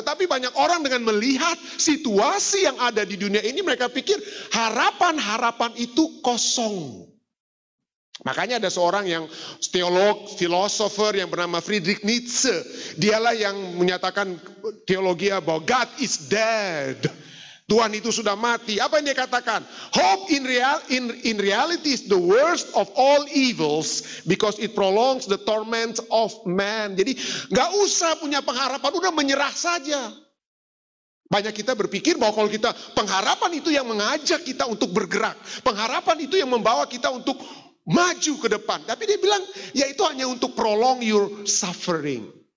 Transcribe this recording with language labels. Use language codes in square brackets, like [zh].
[id] Tetapi banyak orang dengan melihat situasi yang ada di dunia ini, mereka pikir harapan-harapan itu kosong. Makanya ada seorang yang teolog, filosofer yang bernama Friedrich Nietzsche. Dialah yang menyatakan teologi bahwa [en] God is dead. [id] Tuhan itu sudah mati. Apa yang dia katakan? [en] Hope in reality is the worst of all evils because it prolongs the torments of man. [id] Jadi gak usah punya pengharapan, udah menyerah saja. Banyak kita berpikir bahwa kalau kita, pengharapan itu yang mengajak kita untuk bergerak. Pengharapan itu yang membawa kita untuk maju ke depan. Tapi dia bilang, ya itu hanya untuk [en] prolong your suffering.